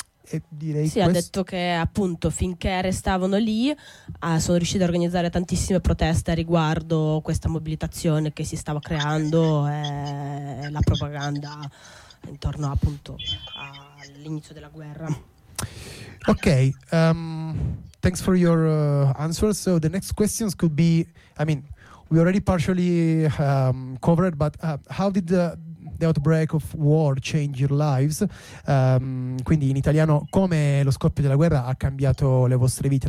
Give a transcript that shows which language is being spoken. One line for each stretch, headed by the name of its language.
Italian: Sì, ha detto che appunto finché restavano lì sono riusciti a organizzare tantissime proteste riguardo questa mobilitazione che si stava creando e la propaganda intorno appunto all'inizio della guerra.
English: Ok, thanks for your answer. So the next questions could be, I mean, we already partially covered, but how did the outbreak of war changed your lives?
Italian: Quindi in italiano, come lo scoppio della guerra ha cambiato le vostre vite?